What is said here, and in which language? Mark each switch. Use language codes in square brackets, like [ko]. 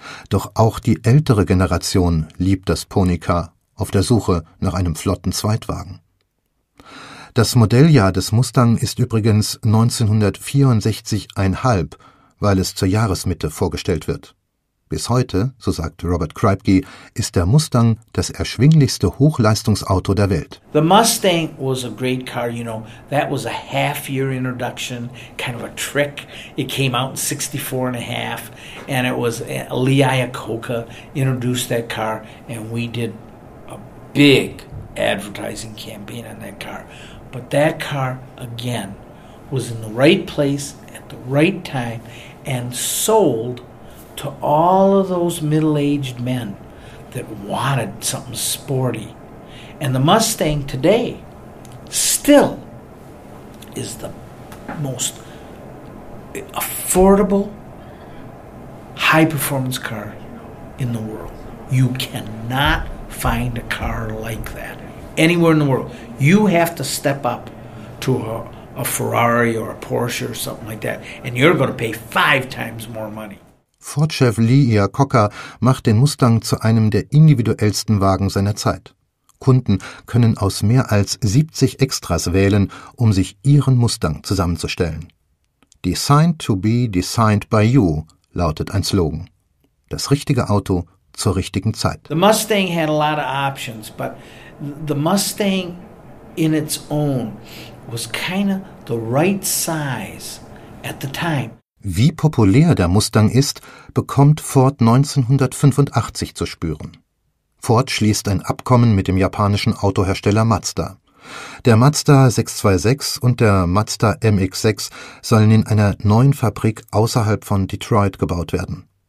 [de] Doch auch die ältere Generation liebt das Ponycar auf der Suche nach einem flotten Zweitwagen. Das Modelljahr des Mustang ist übrigens 1964,5, weil es zur Jahresmitte vorgestellt wird. Bis heute, so sagt Robert Kreipke, ist der Mustang das erschwinglichste Hochleistungsauto der Welt. [en] The Mustang was a great car, you know. That was a half-year introduction, kind of a trick. It came out in 64.5 and it was Lee Iacocca introduced that car and we did a big advertising campaign on that car. But that car, again, was in the right place at the right time and sold to all of those middle-aged men that wanted something sporty. And the Mustang today still is the most affordable high-performance car in the world. You cannot find a car like that anywhere in the world. You have to step up to a Ferrari or a Porsche or something like that, and you're going to pay 5 times more money. [de] Ford-Chef Lee Iacocca macht den Mustang zu einem der individuellsten Wagen seiner Zeit. Kunden können aus mehr als 70 Extras wählen, um sich ihren Mustang zusammenzustellen. [en] Designed to be designed by you, [de] lautet ein Slogan. Das richtige Auto zur richtigen Zeit. [en] The Mustang had a lot of options, but the Mustang in its own was kind of the right size at the time. [de] Wie populär der Mustang ist, bekommt Ford 1985 zu spüren. Ford schließt ein Abkommen mit dem japanischen Autohersteller Mazda. Der Mazda 626 und der Mazda MX-6 sollen in einer neuen Fabrik außerhalb von Detroit gebaut werden.